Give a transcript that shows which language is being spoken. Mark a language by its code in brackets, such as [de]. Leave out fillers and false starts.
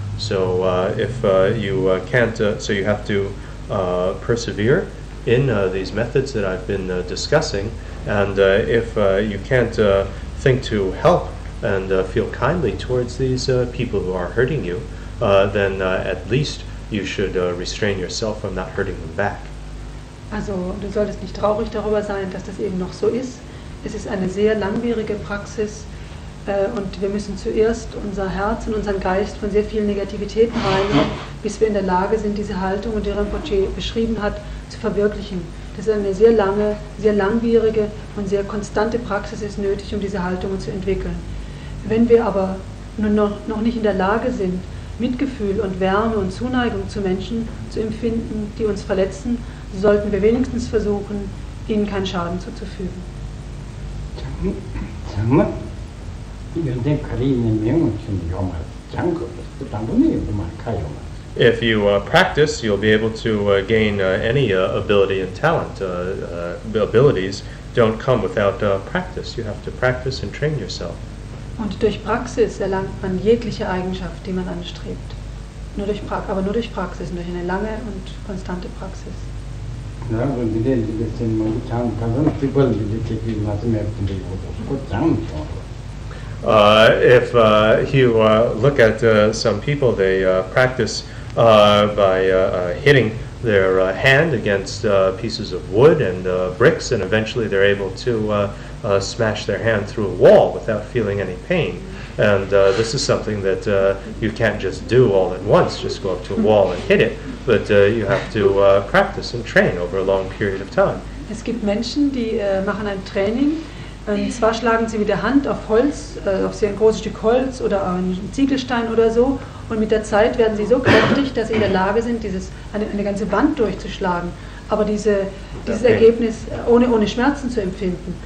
[en] So if you can't, so you have to persevere in these methods that I've been discussing, and if you can't think to help and feel kindly towards these people who are hurting you, then at least you should restrain yourself from not hurting them back. [de] Also, du solltest nicht traurig darüber sein, dass das eben noch so ist. Es ist eine sehr langwierige Praxis, und wir müssen zuerst unser Herz und unseren Geist von sehr vielen Negativitäten reinigen, bis wir in der Lage sind, diese Haltung, die Rinpoche beschrieben hat, zu verwirklichen. Das ist eine sehr lange, sehr langwierige und sehr konstante Praxis ist nötig, um diese Haltung zu entwickeln. Wenn wir aber nur noch nicht in der Lage sind, Mitgefühl und Wärme und Zuneigung zu Menschen zu empfinden, die uns verletzen, sollten wir wenigstens versuchen, ihnen keinen Schaden zuzufügen. Danke. 근데 카리네 명은 좀 요마 장고 담보네 요마 카요마 [en] If you practice you'll be able to gain any ability and talent abilities don't come without practice you have to practice and train yourself [de] Und durch Praxis erlangt man jegliche Eigenschaft die man anstrebt nur durch Praxis durch eine lange und konstante Praxis Na und die denn die sind mal chan kan people die die was mehr tun die so chan [en] If you look at some people, they practice by hitting their hand against pieces of wood and bricks, and eventually they're able to smash their hand through a wall without feeling any pain. And this is something that you can't just do all at once, just go up to a wall and hit it, but you have to practice and train over a long period of time. [de] Es gibt Menschen, die machen ein Training. Und zwar schlagen sie mit der Hand auf Holz, auf sie ein großes Stück Holz oder einen Ziegelstein oder so. Und mit der Zeit werden sie so kräftig, dass sie in der Lage sind, eine ganze Wand durchzuschlagen. Aber dieses Ergebnis, ohne Schmerzen zu empfinden.